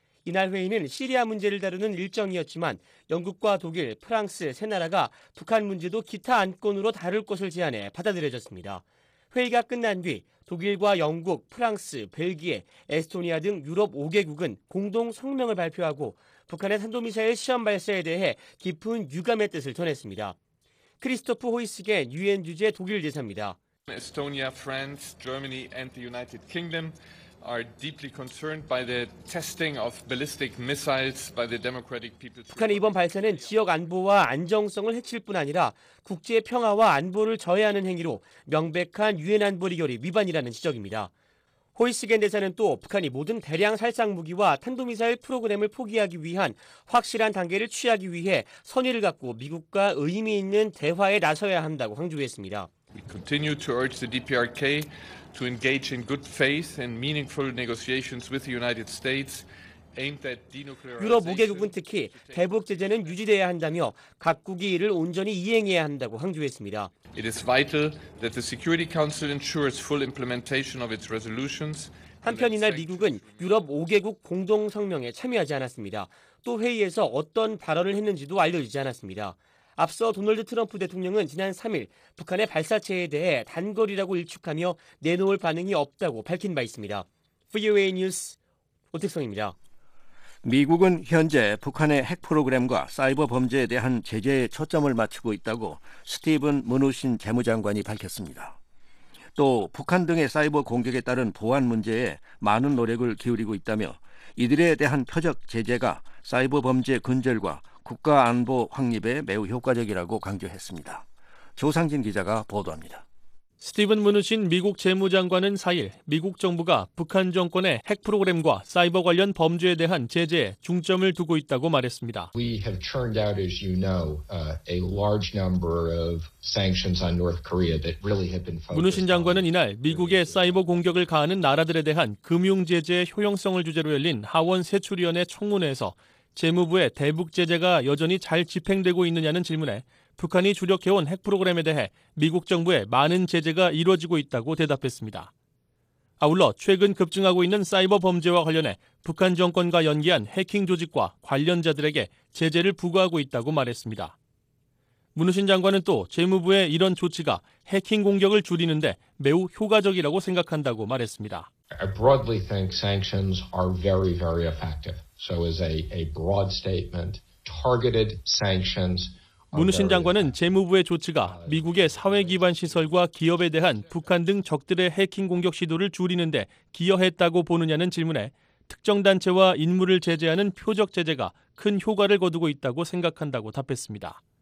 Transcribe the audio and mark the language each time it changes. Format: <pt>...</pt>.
<ko>이날 회의는 시리아 문제를 다루는 일정이었지만 영국과 독일, 프랑스 세 나라가 북한 문제도 기타 안건으로 다룰 것을 제안해 받아들여졌습니다. 회의가 끝난 뒤 독일과 영국, 프랑스, 벨기에, 에스토니아 등 유럽 5개국은 공동 성명을 발표하고 북한의 탄도미사일 시험 발사에 대해 깊은 유감의 뜻을 전했습니다. 크리스토프 호이스겐 유엔 주재 독일 대사입니다.</ko> <en>Estonia, France, Germany and the United Kingdom are deeply concerned by the testing of ballistic missiles by the Democratic People's.</en> <ko>북한의 이번 발사는 지역 안보와 안정성을 해칠 뿐 아니라 국제 평화와 안보를 저해하는 행위로 명백한 유엔 안보리 결의 위반이라는 지적입니다. 호이스겐 대사는 또 북한이 모든 대량 살상 무기와 탄도미사일 프로그램을 포기하기 위한 확실한 단계를 취하기 위해 선의를 갖고 미국과 의미 있는 대화에 나서야 한다고 강조했습니다.</ko> <en>We continue to urge the DPRK to engage in good faith and meaningful negotiations with the United States aimed at denuclearization.</en> <ko>유럽 5개국은 특히 대북 제재는 유지돼야 한다며 각국이 이를 온전히 이행해야 한다고 강조했습니다.</ko> <en>It is vital that the Security Council ensures full implementation of its resolutions.</en> <ko>한편 이날 미국은 유럽 5개국 공동 성명에 참여하지 않았습니다. 또 회의에서 어떤 발언을 했는지도 알려지지 않았습니다. 앞서 도널드 트럼프 대통령은 지난 3일 북한의 발사체에 대해 단거리라고 일축하며 내놓을 반응이 없다고 밝힌 바 있습니다. VOA 뉴스 오택성입니다. 미국은 현재 북한의 핵 프로그램과 사이버 범죄에 대한 제재에 초점을 맞추고 있다고 스티븐 문우신 재무장관이 밝혔습니다. 또 북한 등의 사이버 공격에 따른 보안 문제에 많은 노력을 기울이고 있다며 이들에 대한 표적 제재가 사이버 범죄 근절과 국가 안보 확립에 매우 효과적이라고 강조했습니다. 조상진 기자가 보도합니다. 스티븐 문우신 미국 재무장관은 4일 미국 정부가 북한 정권의 핵 프로그램과 사이버 관련 범죄에 대한 제재에 중점을 두고 있다고 말했습니다.</ko> <en>We have turned out, as you know, a large number of sanctions on North Korea that really have been focused.</en> <ko>문우신 장관은 이날 미국의 사이버 공격을 가하는 나라들에 대한 금융 제재의 효용성을 주제로 열린 하원 세출위원회 청문회에서 재무부의 대북 제재가 여전히 잘 집행되고 있느냐는 질문에 북한이 주력해온 핵 프로그램에 대해 미국 정부의 많은 제재가 이루어지고 있다고 대답했습니다. 아울러 최근 급증하고 있는 사이버 범죄와 관련해 북한 정권과 연계한 해킹 조직과 관련자들에게 제재를 부과하고 있다고 말했습니다. 문우신 장관은 또 재무부의 이런 조치가 해킹 공격을 줄이는 데 매우 효과적이라고 생각한다고 말했습니다.</ko> <en>I broadly think sanctions are very, very effective. So as a broad statement, targeted sanctions.</en> <ko>문우신 장관은 재무부의 조치가 미국의 사회기반 시설과 기업에 대한 북한 등 적들의 해킹 공격 시도를 줄이는 데 기여했다고 보느냐는 질문에 특정 단체와 인물을 제재하는 표적 제재가 큰 효과를 거두고 있다고 생각한다고 답했습니다.</ko>